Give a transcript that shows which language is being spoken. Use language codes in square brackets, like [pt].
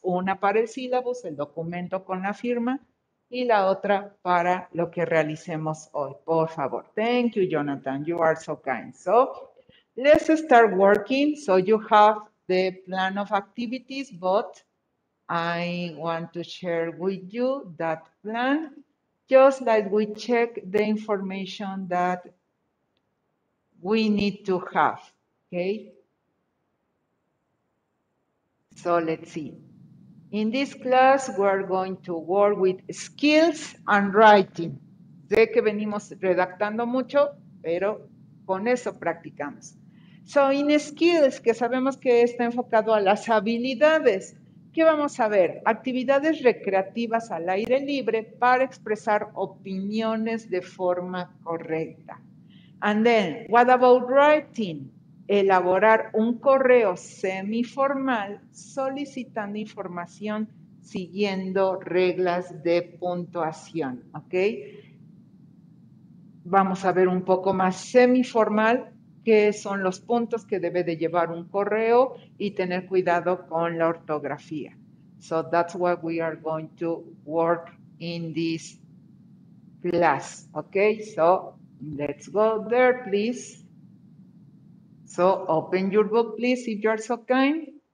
[es] Una para el sílabus, el documento con la firma, y la otra para lo que realicemos hoy, por favor. [en] Thank you, Jonathan. You are so kind. So, let's start working. So, you have the plan of activities, but I want to share with you that plan. Just like we check the information that we need to have, okay? So, let's see. In this class, we're going to work with skills and writing. [es] Sé que venimos redactando mucho, pero con eso practicamos. [en] So, in skills, [es] que sabemos que está enfocado a las habilidades, ¿qué vamos a ver? Actividades recreativas al aire libre para expresar opiniones de forma correcta. [en] And then, what about writing? [es] elaborar un correo semiformal solicitando información siguiendo reglas de puntuación, ¿ok? Vamos a ver un poco más semiformal qué son los puntos que debe de llevar un correo y tener cuidado con la ortografía. [en] So that's what we are going to work in this class, ¿ok? So let's go there, please. So open your book, please, if you are so kind.